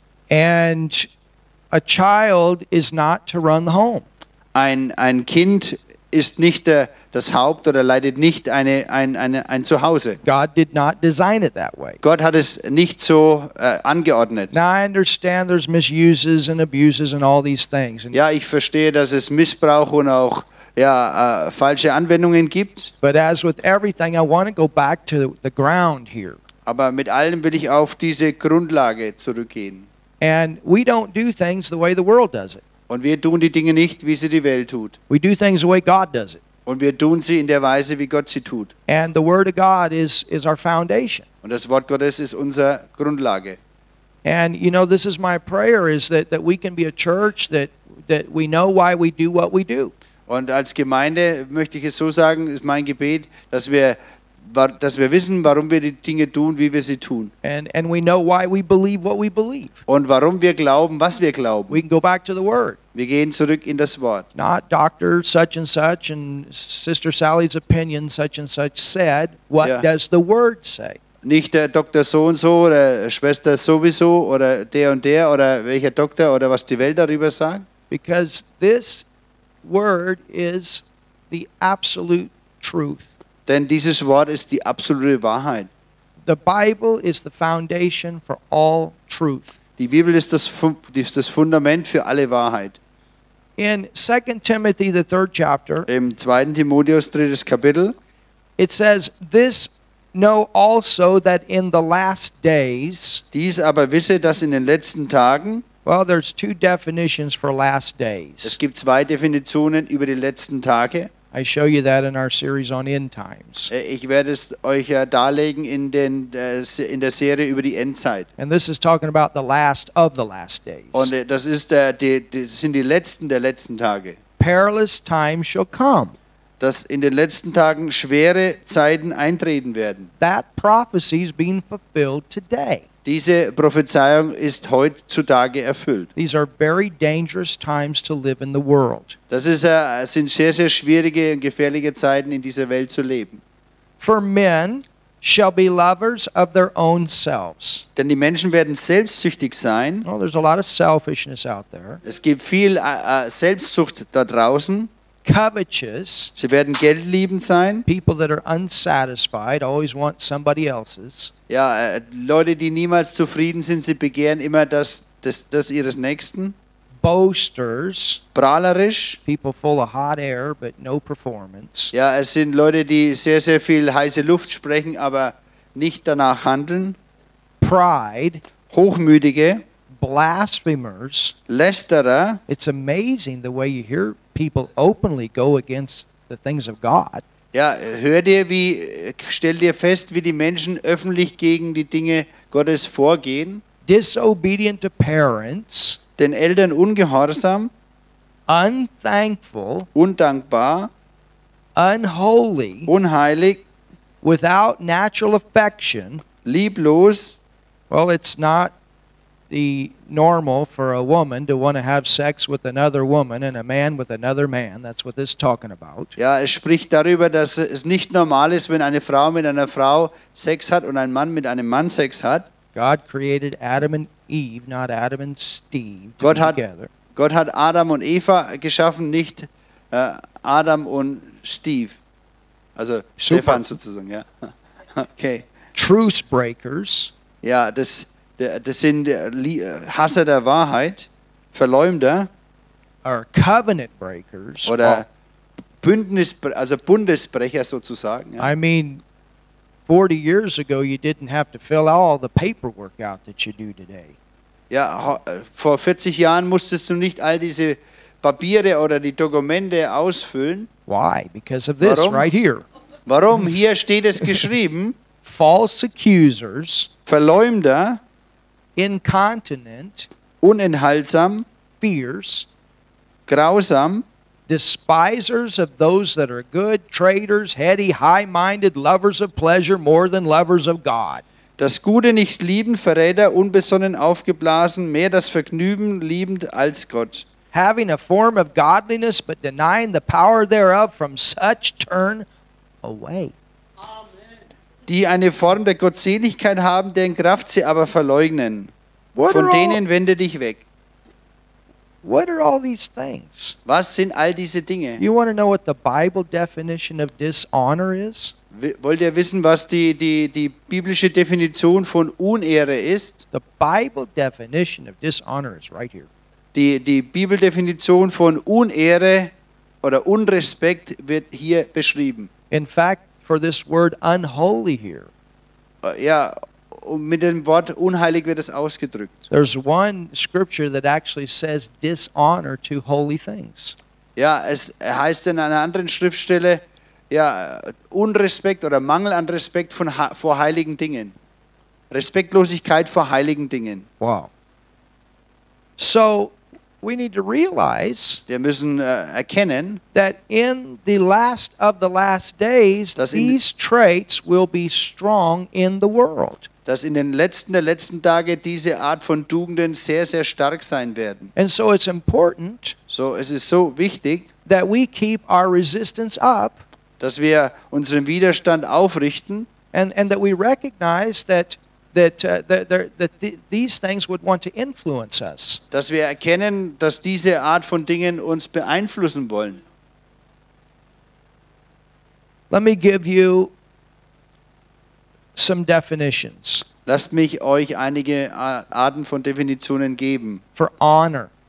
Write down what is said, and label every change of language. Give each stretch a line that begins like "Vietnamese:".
English: And a child is not to run the home.
German: Ein Kind ist nicht das Haupt oder leitet nicht ein Zuhause.
English: God did not design it that way.
German: Gott hat es nicht so angeordnet.
English: Now I understand there's misuses and abuses and all these things.
German: Ja, ich verstehe, dass es Missbrauch und auch falsche Anwendungen gibt.
English: But as with everything, I want to go back to the ground here.
German: Aber mit allem will ich auf diese Grundlage zurückgehen.
English: And we don't do things the way the world does it.
German: Und wir tun die Dinge nicht, wie sie die Welt tut.
English: We do things the way God does it.
German: Und wir tun sie in der Weise, wie Gott sie tut.
English: And the word of God is our foundation.
German: Und das Wort Gottes ist unsere Grundlage.
English: And you know, this is my prayer, is that we can be a church that we know why we do what we do.
German: Und als Gemeinde möchte ich es so sagen, ist mein Gebet, dass wir wissen, warum wir die Dinge tun, wie wir sie tun.
English: And we know why we believe what we believe.
German: Und warum wir glauben, was wir glauben.
English: We can go back to the word.
German: Wir gehen zurück in das Wort.
English: Not Dr. such and such and Sister Sally's opinion such and such said, what does the word say?
German: Nicht der Doktor so und so oder Schwester sowieso oder der und der oder welcher Doktor oder was die Welt darüber sagt.
English: Because this word is the absolute truth.
German: Denn dieses Wort ist die absolute Wahrheit.
English: The Bible is the foundation for all truth.
German: Die Bibel ist das Fundament für alle Wahrheit.
English: In 2 Timothy, the third chapter,
German: im 2. Timotheus, drittes Kapitel,
English: it says, this know also that in the last days,
German: dies aber wisse, dass in den letzten Tagen,
English: Well, there's two definitions for last days.
German: Es gibt zwei Definitionen über die letzten Tage.
English: I show you that in our series on end times.
German: Ich werde es euch darlegen in der Serie über die Endzeit.
English: And this is talking about the last of the last days.
German: Und das ist sind die letzten der letzten Tage.
English: Perilous times shall come.
German: Dass in den letzten Tagen schwere Zeiten eintreten werden.
English: That prophecy is being fulfilled today.
German: Diese Prophezeiung ist heutzutage erfüllt.
English: These are very dangerous times to live in the world.
German: Das ist, sind sehr, sehr schwierige und gefährliche Zeiten, in dieser Welt zu leben.
English: For men shall be lovers of their own selves.
German: Denn die Menschen werden selbstsüchtig sein.
English: Well, there's a lot of selfishness out there.
German: Es gibt viel Selbstsucht da draußen.
English: Covetous.
German: Sie werden geldliebend sein.
English: People that are unsatisfied always want somebody else's.
German: Ja, Leute, die niemals zufrieden sind, sie begehren immer das ihres Nächsten.
English: Boasters.
German: Prahlerisch.
English: People full of hot air but no performance.
German: Ja, es sind Leute, die sehr, sehr viel heiße Luft sprechen, aber nicht danach handeln.
English: Pride.
German: Hochmütige.
English: Blasphemers.
German: Lästerer.
English: It's amazing the way you hear people openly go against the things of God.
German: Ja, hör dir, wie stell dir fest, wie die Menschen öffentlich gegen die Dinge Gottes vorgehen.
English: Disobedient to parents.
German: Den Eltern ungehorsam.
English: Unthankful.
German: Undankbar.
English: Unholy.
German: Unheilig.
English: Without natural affection.
German: Lieblos.
English: Well, it's not the normal for a woman to want to have sex with another woman and a man with another man. That's what this is talking about.
German: Ja, es spricht darüber, dass es nicht normal ist, wenn eine Frau mit einer Frau Sex hat und ein Mann mit einem Mann Sex hat.
English: God created Adam and Eve, not Adam and Steve, together.
German: Gott hat Adam und Eva geschaffen, nicht Adam und Steve. Also Super. Stefan sozusagen, ja. Okay.
English: Truth breakers.
German: Ja, das sind Hasser der Wahrheit, Verleumder.
English: Or covenant breakers.
German: Oder Bündnis, also Bundesbrecher sozusagen. Ja.
English: I mean, 40 years ago you didn't have to fill all the paperwork out that you do today.
German: Ja, vor 40 Jahren musstest du nicht all diese Papiere oder die Dokumente ausfüllen.
English: Why? Because of this.
German: Warum?
English: Right here.
German: Warum? Hier steht es geschrieben.
English: False accusers.
German: Verleumder.
English: Incontinent,
German: unenthaltsam,
English: fierce,
German: grausam,
English: despisers of those that are good, traitors, heady, high-minded, lovers of pleasure more than lovers of God.
German: Das Gute nicht lieben, Verräter, unbesonnen, aufgeblasen, mehr das Vergnügen liebend als Gott.
English: Having a form of godliness but denying the power thereof, from such turn away.
German: Die eine Form der Gottseligkeit haben, deren Kraft sie aber verleugnen. Von denen wende dich weg.
English: What are all these things?
German: Was sind all diese Dinge?
English: You want to know what the Bible definition of dishonor is?
German: Wollt ihr wissen, was die biblische Definition von Unehre ist?
English: The Bible definition of dishonor is right here.
German: Die Bibeldefinition von Unehre oder Unrespekt wird hier beschrieben.
English: In fact, for this word unholy here.
German: Ja, mit dem Wort unheilig wird es ausgedrückt.
English: There's one scripture that actually says dishonor to holy things.
German: Ja, es heißt in einer anderen Schriftstelle, ja, Unrespekt oder Mangel an Respekt vor heiligen Dingen. Respektlosigkeit vor heiligen Dingen.
English: Wow. So we need to realize,
German: wir müssen erkennen,
English: that in the last of the last days, these traits will be strong in the world.
German: Dass in den letzten der letzten Tage diese Art von Tugenden sehr, sehr stark sein werden.
English: And so it's important,
German: so es ist so wichtig,
English: that we keep our resistance up,
German: dass wir unseren Widerstand aufrichten,
English: and that we recognize that these things would want to influence us.
German: Dass wir erkennen, dass diese Art von Dingen uns beeinflussen wollen.
English: Let me give you some definitions.
German: Lasst mich euch einige Arten von Definitionen geben.
English: For honor.